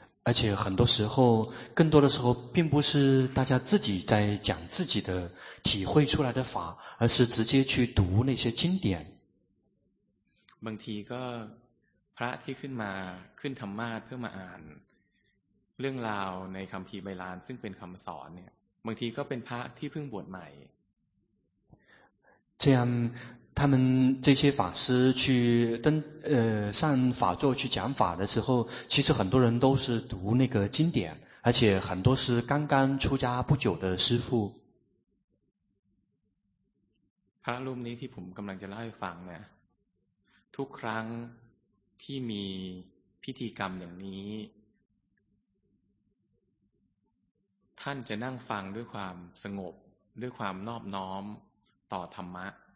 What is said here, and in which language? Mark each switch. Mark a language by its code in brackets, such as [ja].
[zh] 而且很多时候更多的时候并不是大家自己在讲自己的体会出来的法而是直接去读那些经典 [th] บางทีก็พระที่ขึ้นมาขึ้นธรรมาสเพื่อมาอ่านเรื่องราวในคัมภีร์ไบลานซึ่งเป็นคำสอนเนี่ยบางทีก็เป็นพระที่เพิ่งบวชใหม่ [zh] 这样他们这些法师去登上法座去讲法的时候其实很多人都是读那个经典而且很多是刚刚出家不久的师父 [th] พระรูปนี้ที่ผมกำลังจะเล่าให้ฟังเนี่ยทุกครั้งที่มีพิธีกรรมอย่างนี้ท่านจะนั่งฟังด้วยความสงบด้วยความนอบน้อมต่อธรรมะ